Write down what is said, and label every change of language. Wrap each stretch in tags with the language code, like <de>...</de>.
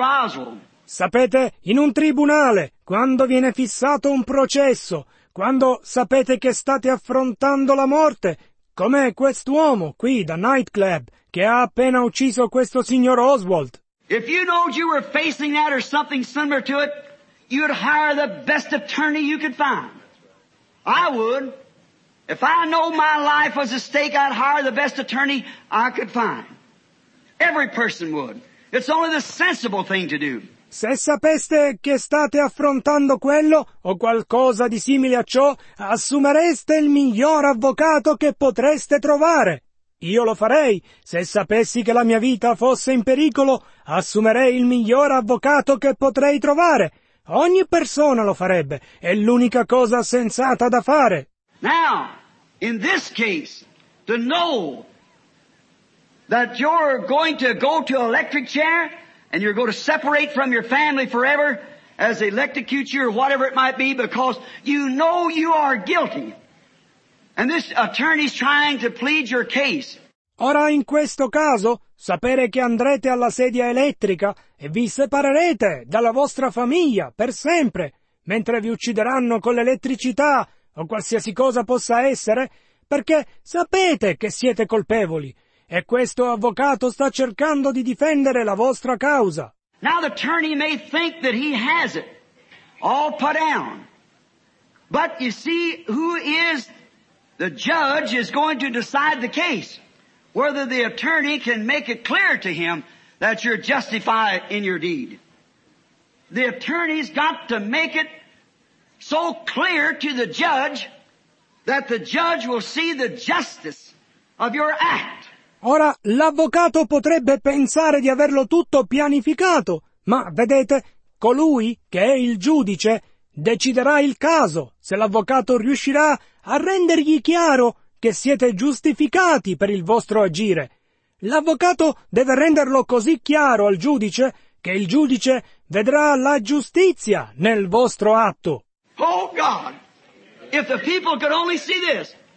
<en>Oswald.</en> <it>Sapete, in un tribunale, quando viene fissato un processo, quando sapete che state affrontando la morte, com'è quest'uomo qui da nightclub che ha appena ucciso questo signor Oswald?</it> <en>If you know you were facing that or something similar to it, you'd hire the best attorney you could find. I would. If I know my life was at stake, I'd hire the best attorney I could find. Every person would. It's only the sensible thing to do.</en> <it>Se sapeste che state affrontando quello o qualcosa di simile a ciò, assumereste il miglior avvocato che potreste trovare. Io lo farei. Se sapessi che la mia vita fosse in pericolo, assumerei il miglior avvocato che potrei trovare. Ogni persona lo farebbe. È l'unica cosa sensata da fare.</it> <en>Now, in this case, to know that you're going to go to electric chair, and you're going to separate from your family forever as they electrocute you or whatever it might be because you know you are guilty. And this attorney's trying to plead your case.</en> <it>Ora in questo caso, sapere che andrete alla sedia elettrica e vi separerete dalla vostra famiglia per sempre, mentre vi uccideranno con l'elettricità o qualsiasi cosa possa essere, perché sapete che siete colpevoli. E questo avvocato sta cercando di difendere la vostra causa.</it> <en>Now the attorney may think that he has it all put down. But you see, who is the judge is going to decide the case. Whether the attorney can make it clear to him that you're justified in your deed. The attorney's got to make it so clear to the judge that the judge will see the justice of your act.</en> <it>Ora, l'avvocato potrebbe pensare di averlo tutto pianificato, ma, vedete, colui che è il giudice deciderà il caso se l'avvocato riuscirà a rendergli chiaro che siete giustificati per il vostro agire. L'avvocato deve renderlo così chiaro al giudice che il giudice vedrà la giustizia nel vostro atto.</it> <en>Oh God, if the people could only see this.</en>